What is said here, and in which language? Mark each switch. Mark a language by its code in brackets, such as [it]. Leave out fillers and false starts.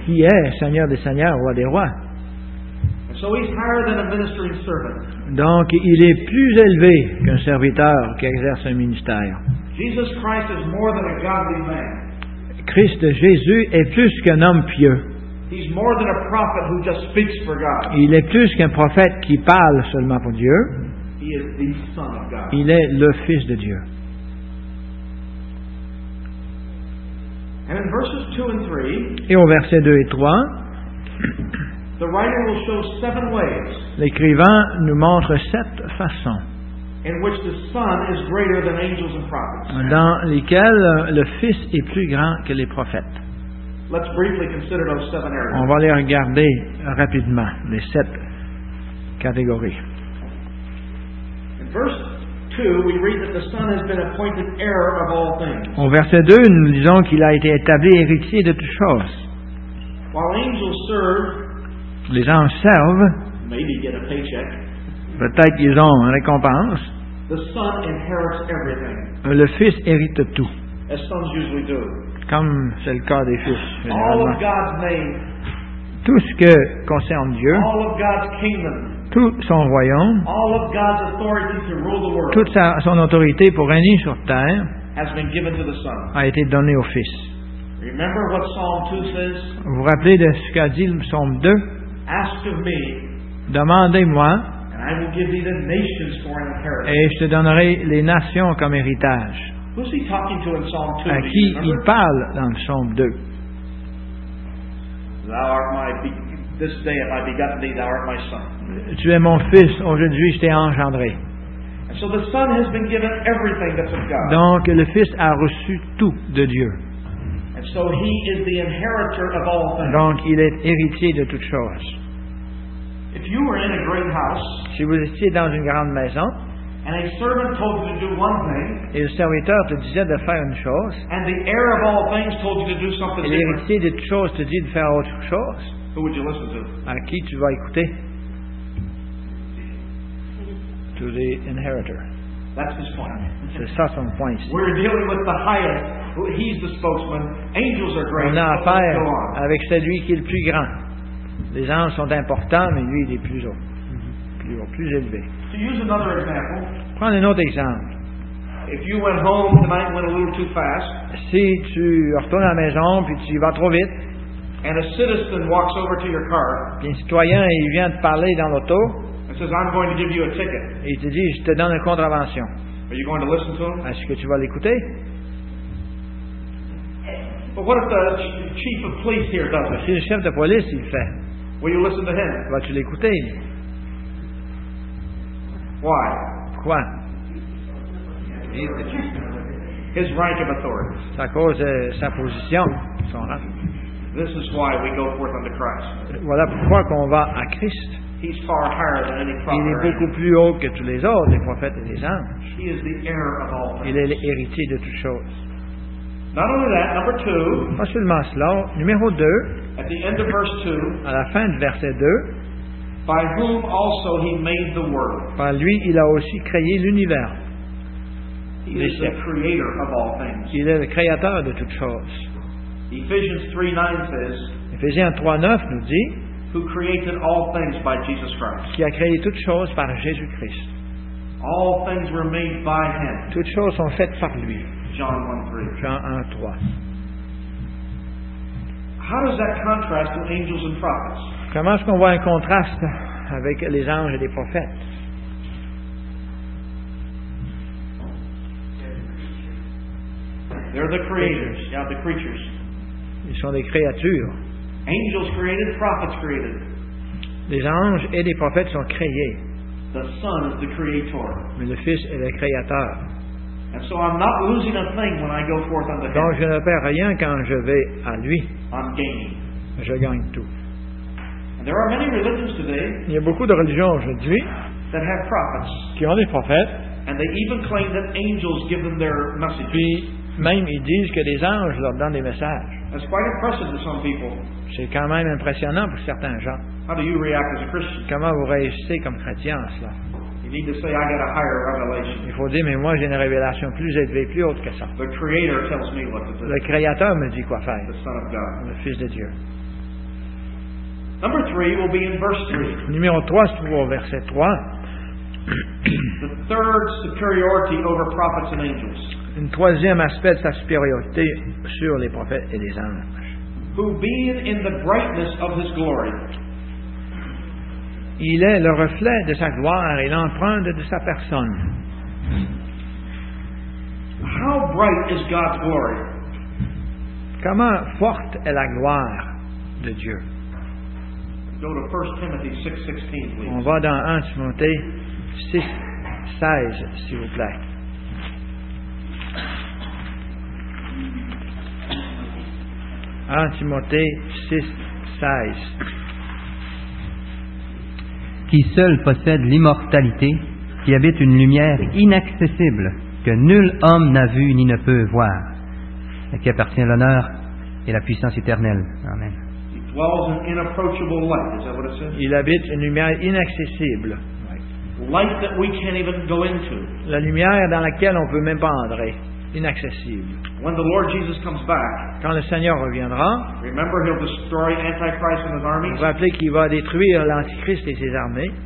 [fr] Qui est Seigneur des Seigneurs, Roi des Rois. [en] So he's higher than a ministering servant. [fr] Donc, il est plus élevé qu'un serviteur qui exerce un ministère. [en] Jesus Christ is more than a godly man. [fr] Christ Jésus est plus qu'un homme pieux. [en] He's more than a prophet who just speaks for God. [fr] Il est plus qu'un prophète qui parle seulement pour Dieu. [en] He is the Son of God. [fr] Il est le Fils de Dieu. [en] And in verses 2 and 3, [fr] et au verset 2 et 3, [en] the writer will show seven ways. [fr] L'écrivain nous montre sept façons. [en] In which the Son is greater than angels and prophets. [fr] Dans lesquelles le Fils est plus grand que les prophètes. [en] Let's briefly consider those seven areas. [fr] On va les regarder rapidement, les sept catégories. [en] In verse 2, we read that the Son has been appointed heir of all things. [fr] Au verset 2, nous disons qu'il a été établi héritier de toutes choses. [en] While angels serve, [fr] les anges servent. [en] Maybe get a paycheck. [fr] Peut-être qu'ils ont une récompense. [en] The Son inherits everything. [fr] Le Fils hérite tout. [en] As sons usually do. [fr] Comme c'est le cas des fils. [en] All of God's name. [fr] Tout ce qui concerne Dieu. [en] All of God's kingdom. [fr] Tout son royaume. [en] All of God's authority to rule the world. [fr] Toute son autorité pour régner sur terre. [en] Has been given to the Son. [fr] A été donné au Fils. [en] Remember what Psalm 2 says? [fr] Vous vous rappelez de ce qu'a dit le psaume 2? [en] Ask of me, [fr] demandez-moi, [en] and I will give thee the nations for an inheritance. [fr] Et je te donnerai les nations comme héritage. [en] Who's he talking to in Psalm 2? [fr] À qui il parle dans le psaume 2? [en] Thou art my this day have I begotten thee, thou art my son. [fr] Tu es mon fils, aujourd'hui je t'ai engendré. [en] And so the Son has been given everything that's of God. [fr] Donc le Fils a reçu tout de Dieu. [en] So he is the inheritor of all things. [fr] Donc il est héritier de toutes choses. [en] If you were in a great house, [fr] si vous étiez dans une grande maison, [en] And a servant told you to do one thing. [fr] Et le serviteur te disait de faire une chose. [en] And the heir of all things told you to do something different. [fr] Et l'héritier de toutes choses te dit de faire autre chose. [en] Who would you listen to? [fr] À qui tu vas écouter? [en] To the inheritor. That's his point. [fr] C'est ça son point. [en] We're dealing with the highest. He's the spokesman. Angels are great. [fr] On a affaire avec celui qui est le plus grand. Les anges sont importants, mais lui, il est plus haut. Plus haut, plus élevé. [en] To use another example. [fr] Prends un autre exemple. [en] If you went home, the night went a little too fast. [fr] Si tu retournes à la maison, puis tu y vas trop vite. [en] And a citizen walks over to your car. [fr] Puis un citoyen, il vient te parler dans l'auto. [en] And says, I'm going to give you a ticket. [fr] Et il te dit, je te donne une contravention. [en] Are you going to listen to him? [fr] Est-ce que tu vas l'écouter? [en] But what if the chief of police here does it? [fr] Si le chef de police, il fait. [en] Will you listen to him? [fr] Vas-tu l'écouter? [en] Why? [fr] Pourquoi? [en] He's the chief. His rank of authority. [fr] C'est à cause de sa position, son rang. [en] This is why we go forth unto Christ. [fr] Voilà pourquoi qu'on va à Christ. [en] He's far higher than any prophet. [fr] Il est beaucoup plus haut que tous les autres, les prophètes et les anges. [en] He is the heir of all things. [fr] Il est l'héritier de toutes choses. [en] Not only that, number two, [fr] pas seulement cela, numéro 2, [en] at the end of verse 2, [fr] à la fin de verset 2, [en] by whom also he made the world. [fr] Par lui, il a aussi créé l'univers. [en] He is the creator of all things. [fr] Il est le créateur de toutes choses. [en] Ephesians [fr] 3:9 nous dit, [en] who created all things by Jesus Christ. [fr] Qui a créé toutes choses par Jésus-Christ. [en] All things were made by him. [fr] Toutes choses sont faites par lui. Jean 1:3. [en] How does that contrast to angels and prophets? [fr] Comment est-ce qu'on voit un contraste avec les anges et les prophètes? [en] They're the creators, yeah, the creatures. [fr] Ils sont des créatures. [en] Angels created, prophets created. [fr] Les anges et les prophètes sont créés. [en] The Son is the creator. [fr] Mais le Fils est le créateur. [en] And so I'm not losing a thing when I go forth unto him. [fr] Donc je ne perds rien quand je vais à lui. [en] I'm gaining. [fr] Je gagne tout. [en] And there are many religions today. [fr] Il y a beaucoup de religions aujourd'hui. [en] That have prophets. [fr] Qui ont des prophètes. [en] And they even claim that angels give them their messages. [fr] Puis même ils disent que des anges leur donnent des messages. [en] That's quite impressive to some people. [fr] C'est quand même impressionnant pour certains gens. [en] How do you react as a Christian? [fr] Comment vous réagissez comme chrétien à cela? [en] You need to say, I got a higher revelation. [fr] Il faut dire, mais moi j'ai une révélation plus élevée, plus haute que ça. [en] The Creator tells me what to do. [fr] Le Créateur me dit quoi faire. [en] The Son of God. [fr] Le Fils de Dieu. [en] Number three will be in verse 3. [fr] Numéro 3 se trouve au verset 3. [en] The third superiority over prophets and angels. [fr] Un troisième aspect de sa supériorité sur les prophètes et les anges. [en] Who being in the brightness of his glory. [fr] Il est le reflet de sa gloire et l'empreinte de sa personne. [en] How bright is God's glory? [fr] Comment forte est la gloire de Dieu? [en] Go to 1 Timothy 6:16, please. [fr] On va dans 1 Timothée 6:16, s'il vous plaît. Timothée 6:16. Qui seul possède l'immortalité, qui habite une lumière inaccessible, que nul homme n'a vu ni ne peut voir, à qui appartient l'honneur et la puissance éternelle. Amen. [en] He dwells in inapproachable light, is that what it says? [fr] Il habite une lumière inaccessible. [en] Light that we can't even go into. [fr] La lumière dans laquelle on ne peut même pas entrer. [en] Inaccessible. When the Lord Jesus comes back, [fr] quand le Seigneur reviendra, [en] remember he'll destroy Antichrist and his armies. [fr] Vous rappelez qu'il va détruire l'Antichrist et ses armées.